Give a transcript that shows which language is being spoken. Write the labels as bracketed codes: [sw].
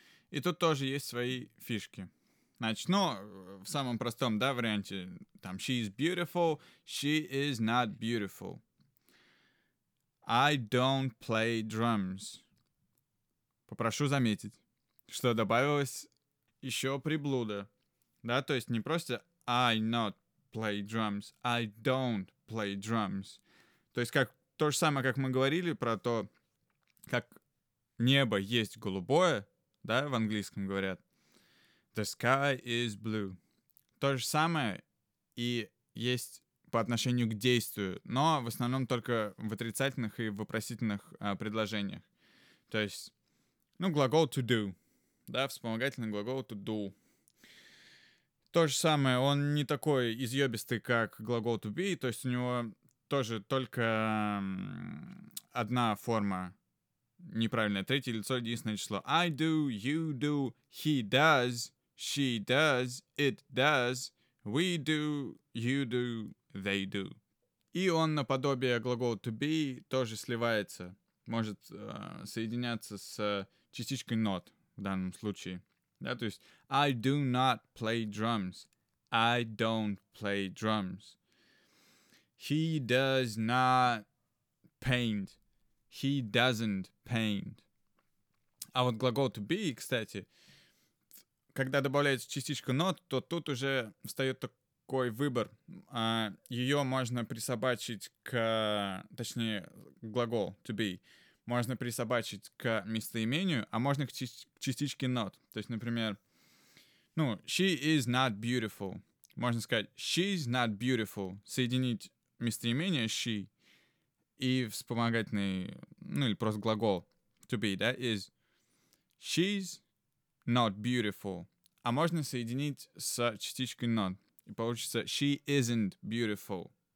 [ru] И тут тоже есть свои фишки. Значит, ну, в самом простом, да, варианте, там, [en] she is beautiful, she is not beautiful. I don't play drums. [ru] Попрошу заметить, что добавилось еще приблуда. Да, то есть не просто [en] I not play drums, I don't play drums. [ru] То есть как то же самое, как мы говорили про то, как небо есть голубое, да, в английском говорят. [en] The sky is blue. [ru] То же самое и есть по отношению к действию, но в основном только в отрицательных и вопросительных предложениях. То есть, ну, глагол to do, да, вспомогательный глагол to do. То же самое, он не такой изъебистый, как глагол to be, то есть у него тоже только одна форма неправильная, третье лицо, единственное число. [en] I do, you do, he does. She does, it does, we do, you do, they do. [ru] И он наподобие глагола to be тоже сливается, может соединяться с частичкой not в данном случае. Да, то есть [en] I do not play drums, I don't play drums. He does not paint, he doesn't paint. [ru] А вот глагол to be, кстати, когда добавляется частичка not, то тут уже встает такой выбор. Ее можно присобачить к... Точнее, глагол to be. Можно присобачить к местоимению, а можно к частичке not. То есть, например, ну, [en] she is not beautiful. [ru] Можно сказать [en] she's not beautiful. [ru] Соединить местоимение she и вспомогательный... Ну, или просто глагол [en] to be, да, is she's not beautiful. [ru] А можно соединить с частичкой not. И получится [en] she isn't beautiful.